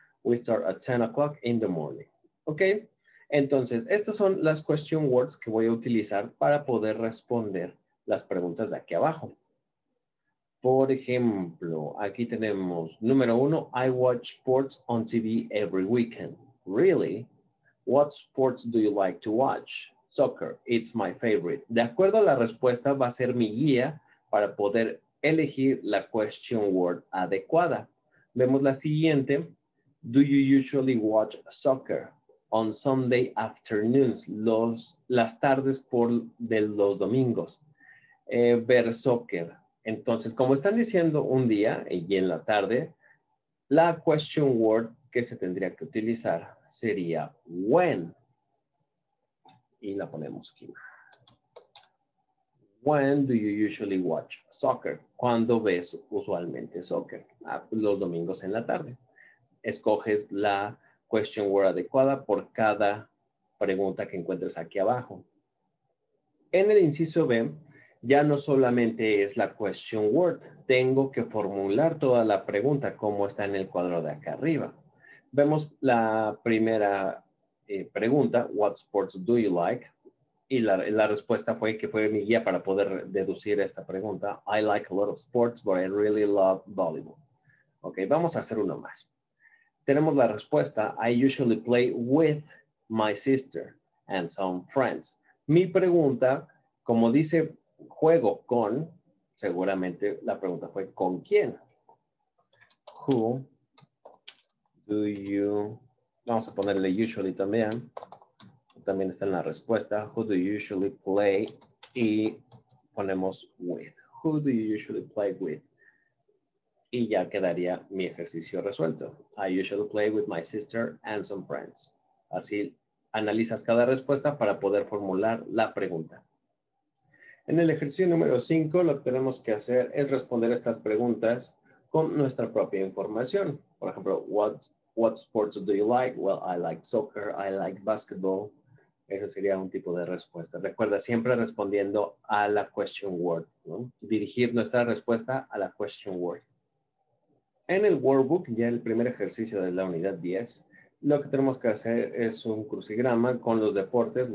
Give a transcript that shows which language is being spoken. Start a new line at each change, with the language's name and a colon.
English: We start at 10 o'clock in the morning. ¿Ok?
Spanish: Entonces, estas son las question words que voy a utilizar para poder responder las preguntas de aquí abajo. Por ejemplo, aquí tenemos, número uno,
English: I watch sports on TV every weekend. Really? What sports do you like to watch? Soccer, it's my favorite.
Spanish: De acuerdo a la respuesta, va a ser mi guía para poder elegir la question word adecuada. Vemos la siguiente.
English: Do you usually watch soccer on Sunday afternoons?
Spanish: Las tardes de los domingos. Ver soccer. Entonces, como están diciendo un día y en la tarde, la question word que se tendría que utilizar sería when. Y la ponemos aquí.
English: When do you usually watch soccer?
Spanish: ¿Cuándo ves usualmente soccer? Los domingos en la tarde. Escoges la question word adecuada por cada pregunta que encuentres aquí abajo. En el inciso B, ya no solamente es la question word. Tengo que formular toda la pregunta como está en el cuadro de acá arriba. Vemos la primera pregunta,
English: what sports do you like?
Spanish: Y la respuesta fue que fue mi guía para poder deducir esta pregunta.
English: I like a lot of sports, but I really love volleyball.
Spanish: Ok, vamos a hacer uno más. Tenemos la respuesta,
English: I usually play with my sister and some friends.
Spanish: Mi pregunta, como dice juego con, seguramente la pregunta fue ¿con quién?
English: Who do you,
Spanish: vamos a ponerle usually también. También está en la respuesta.
English: Who do you usually play?
Spanish: Y ponemos
English: with. Who do you usually play with?
Spanish: y ya quedaría mi ejercicio resuelto.
English: I usually play with my sister and some friends.
Spanish: Así analizas cada respuesta para poder formular la pregunta. En el ejercicio número 5, lo que tenemos que hacer es responder estas preguntas con nuestra propia información. Por ejemplo,
English: what sports do you like? Well, I like soccer, I like basketball.
Spanish: Ese sería un tipo de respuesta. Recuerda, siempre respondiendo a la question word, ¿no? Dirigir nuestra respuesta a la question word. En el workbook, ya el primer ejercicio de la unidad 10, lo que tenemos que hacer es un crucigrama con los deportes.